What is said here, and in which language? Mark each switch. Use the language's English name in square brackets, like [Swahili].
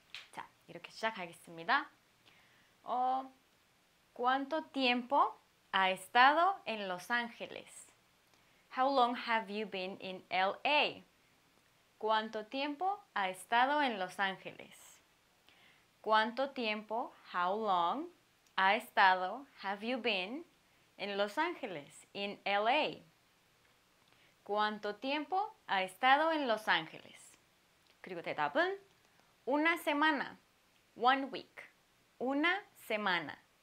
[Korean] 자, 이렇게 시작하겠습니다. [Spanish] ¿Cuánto tiempo ha estado en Los Ángeles? [English] How long have you been in LA? [Spanish] ¿Cuánto tiempo ha estado en Los Ángeles? ¿Cuánto tiempo? [English] How long? [Spanish] Ha estado, [English] have you been, [Spanish] en Los Ángeles, [English] in LA. [Spanish] ¿Cuánto tiempo ha estado en Los Ángeles? [Korean] 그리고 대답은 [Spanish] una semana, [English] one week, [Spanish] una semana.